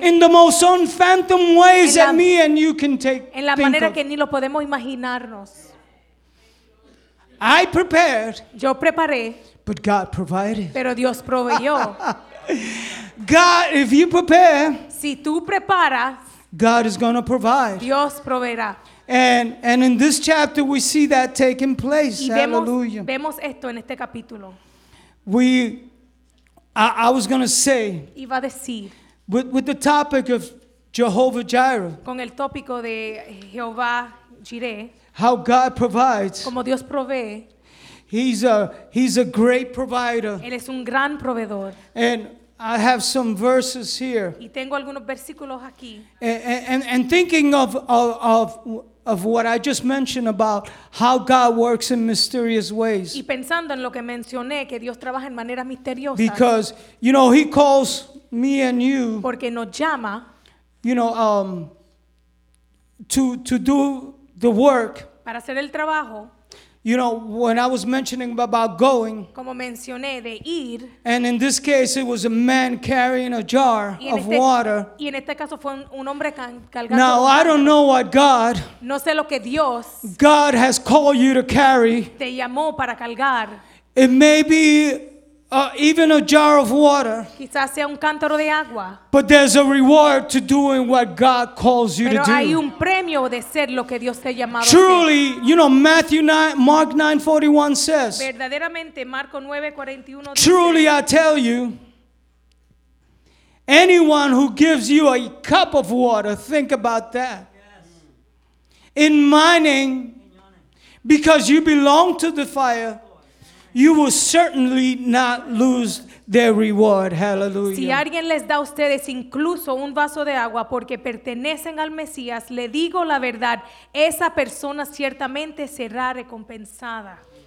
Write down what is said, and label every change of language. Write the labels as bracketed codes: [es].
[en] In the most unfathom ways that me and you can take. [es] En la manera que ni lo podemos imaginarnos. [en] I prepared. [es] Yo preparé. [en] But God provided. [es] Pero Dios proveyó. [en] God, if you prepare. [es] Si tú preparas. [en] God is going to provide. [es] Dios proveerá. [en] And in this chapter we see that taking place. [es] Y vemos, [en] hallelujah. [es] Vemos esto en este capítulo. [en] I was going to say. [es] Iba a decir. [en] With the topic of Jehovah Jireh. [es] Con el tópico de Jehová Jireh. [en] How God provides. [es] Como Dios provee. [en] He's a great provider. [es] Él es un gran proveedor. [en] And I have some verses here. [es] Y tengo algunos versículos aquí. [en] And thinking of what I just mentioned about how God works in mysterious ways. [es] Y pensando en lo que mencioné, que Dios trabaja en maneras misteriosas. [en] Because you know he calls me and you. [es] Porque nos llama. [en] You know to do the work. [es] Para hacer el trabajo. [en] You know, when I was mentioning about going, [es] como mencioné, de ir, [en] and in this case it was a man carrying a jar of water. [es] Y en este caso fue un hombre cargando. [en] Now I don't know what God, [es] no sé lo que Dios, [en] God has called you to carry. [es] Te llamó para cargar. [en] It may be even a jar of water. [es] Quizás sea un cántaro de agua. [en] But there's a reward to doing what God calls you [es] pero [en] to do. [es] Pero hay un premio de ser lo que Dios te ha llamado. [en] Truly, you know, Mark 9:41 says. [es] Verdaderamente, Marco 9:41 dice. [en] Truly, I tell you, anyone who gives you a cup of water, think about that. In my name, because you belong to the fire. you will certainly not lose their reward. Hallelujah. [es] Si alguien les da a ustedes incluso un vaso de agua porque pertenecen al Mesías, le digo la verdad, esa persona ciertamente será recompensada.